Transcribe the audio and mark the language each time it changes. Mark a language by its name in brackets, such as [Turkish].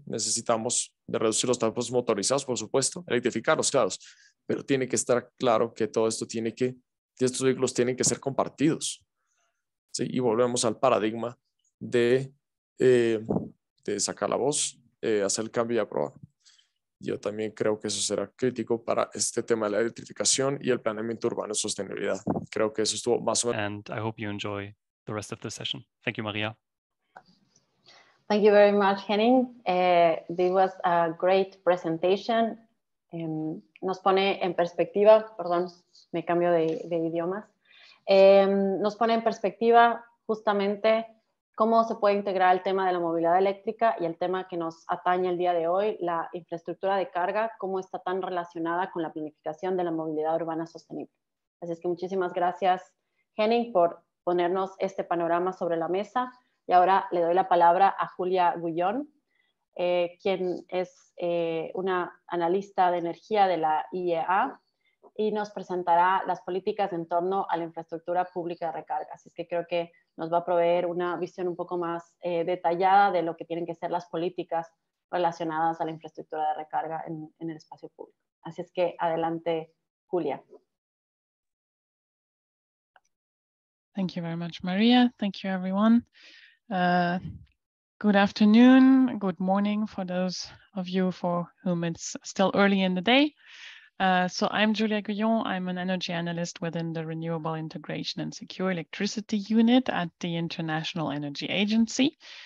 [Spanish] Necesitamos de reducir los tiempos motorizados, por supuesto, electrificarlos, claro, pero tiene que estar claro que todo esto tiene que estos vehículos tienen que ser compartidos, ¿sí? Y volvemos al paradigma de sacar la voz, hacer el cambio y aprobar. Yo también creo que eso será crítico para este tema de la electrificación y el planeamiento urbano y sostenibilidad. Creo que eso estuvo más o menos. [English] And I hope you enjoy the rest of the session. Thank you, María. Thank you very much, Henning. This was a great presentation. [Spanish] Nos pone en perspectiva, perdón, me cambio de idiomas. Nos pone en perspectiva justamente cómo se puede integrar el tema de la movilidad eléctrica y el tema que nos atañe el día de hoy, la infraestructura de carga, cómo está tan relacionada con la planificación de la movilidad urbana sostenible. Así es que muchísimas gracias, Henning, por ponernos este panorama sobre la mesa. Y ahora le doy la palabra a Julia Gullón, quien es una analista de energía de la IEA y nos presentará las políticas en torno a la infraestructura pública de recarga. Así es que creo que nos va a proveer una visión un poco más detallada de lo que tienen que ser las políticas relacionadas a la infraestructura de recarga en el espacio público. Así es que adelante, Julia. [English] Thank you very much, Maria. Thank you, everyone. Good afternoon, good morning for those of you for whom it's still early in the day. So I'm Julia Guyon. I'm an energy analyst within the Renewable Integration and Secure Electricity Unit at the International Energy Agency.